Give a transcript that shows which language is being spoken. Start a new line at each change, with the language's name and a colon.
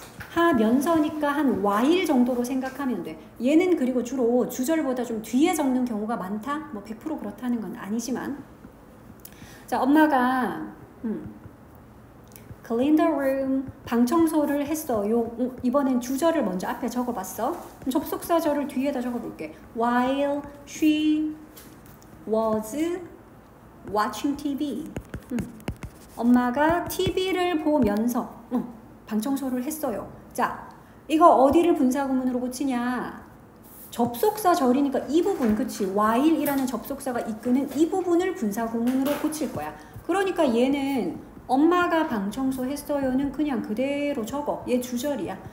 Korean: 하면서니까 한 while 정도로 생각하면 돼. 얘는 그리고 주로 주절보다 좀 뒤에 적는 경우가 많다? 뭐 100% 그렇다는 건 아니지만. 자, 엄마가
English: clean the room,
Korean: 방 청소를 했어요. 이번엔 주절을 먼저 앞에 적어봤어. 접속사절을 뒤에다 적어볼게.
English: While she was watching TV.
Korean: 엄마가 TV를 보면서 방 청소를 했어요. 자, 이거 어디를 분사구문으로 고치냐? 접속사절이니까 이 부분, 그치? while이라는 접속사가 이끄는 이 부분을 분사구문으로 고칠 거야. 그러니까 얘는 엄마가 방 청소했어요는 그냥 그대로 적어. 얘 주절이야.